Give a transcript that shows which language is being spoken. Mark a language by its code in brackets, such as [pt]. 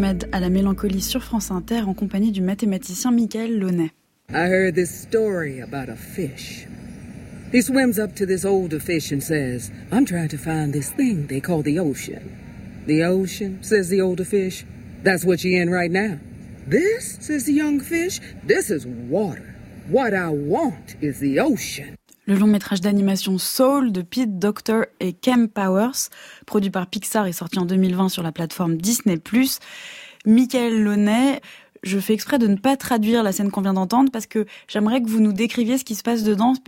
[fr] À la mélancolie sur France Inter en compagnie du mathématicien Michael Launay. [en] I heard this story about a fish. He swims up to this older fish and says, I'm trying to find this thing they call the ocean. The ocean, says the older fish, that's what you're in right now. This, says the young fish, this is water. What I want is the ocean. [fr] Le long métrage d'animation Soul de Pete Docter et Kem Powers, produit par Pixar et sorti en 2020 sur la plateforme Disney+. Michael Launay, je fais exprès de ne pas traduire la scène qu'on vient d'entendre parce que j'aimerais que vous nous décriviez ce qui se passe dedans.